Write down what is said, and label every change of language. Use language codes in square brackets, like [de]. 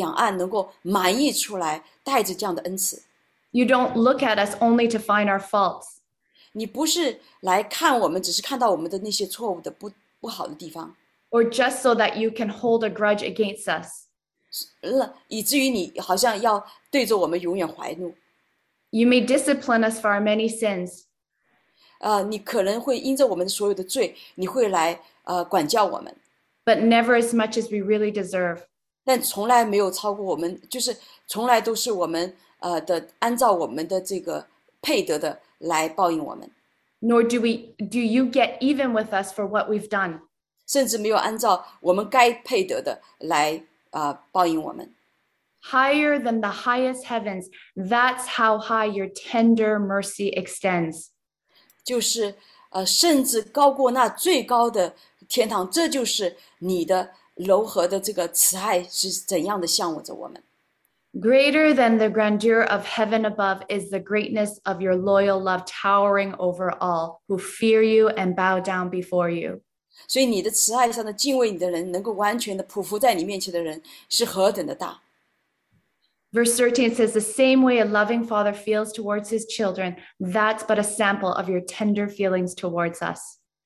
[zh] 你的爱就像这个涨潮的这样的河水，从它的两岸能够满溢出来，带着这样的恩慈。 [en] You don't look at us only to find our faults. [zh] 你不是来看我们，只是看到我们的那些错误的不好的地方。 [en] Or just so that you can hold a grudge against us. [zh] 以至于你好像要对着我们永远怀怒。 [en] You may discipline us for our many sins. [zh] 你可能会因着我们所有的罪, 你会来, 管教我们。 [en] But never as much as we really deserve. [zh] 但从来没有超过我们, 就是从来都是我们, 按照我们的这个配得的来报应我们。 [en] Nor do you get even with us for what we've done. [zh] 甚至没有按照我们该配得的来 [en] Higher than the highest heavens, that's how high your tender mercy extends. [zh] 就是, 甚至高过那最高的天堂, 这就是你的柔和的这个慈爱是怎样的向着我们。 [en] Greater than the grandeur of heaven above is the greatness of your loyal love towering over all who fear you and bow down before you. [zh] 所以你的慈爱上的敬畏你的人能够完全的匍匐在你面前的人是何等的大。 [en] Verse 13 says, the same way a loving father feels towards his children, that's but a sample of your tender feelings towards us.